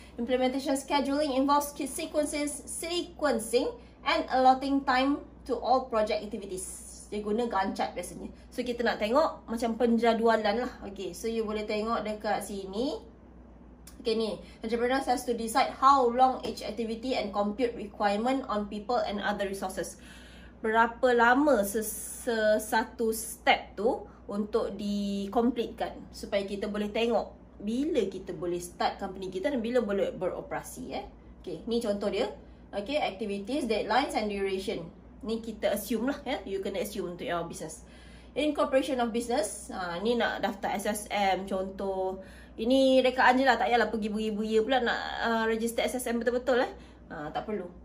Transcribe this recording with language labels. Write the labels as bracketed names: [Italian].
[English] Implementation scheduling involves sequencing and allotting time to all project activities. [Malay] Dia guna Gantt chart biasanya. So kita nak tengok macam penjadualan lah. [English] Okay, so you [Malay] boleh tengok dekat sini. [English] Okay ni, entrepreneurs has to decide how long each activity and compute requirement on people and other resources. [Malay] Berapa lama sesatu step tu untuk dikomplitkan, supaya kita boleh tengok bila kita boleh start company kita dan bila boleh beroperasi eh. Okay, ni contoh dia. [English] Okay, activities, deadlines and duration. [Malay] Ni kita assume lah ya, you kena assume untuk your business. [English] Incorporation of business, [Malay] ni nak daftar SSM contoh. Ini rekaan je lah, tak payahlah pergi beribu-ibu pula nak register SSM betul-betul eh. Tak perlu.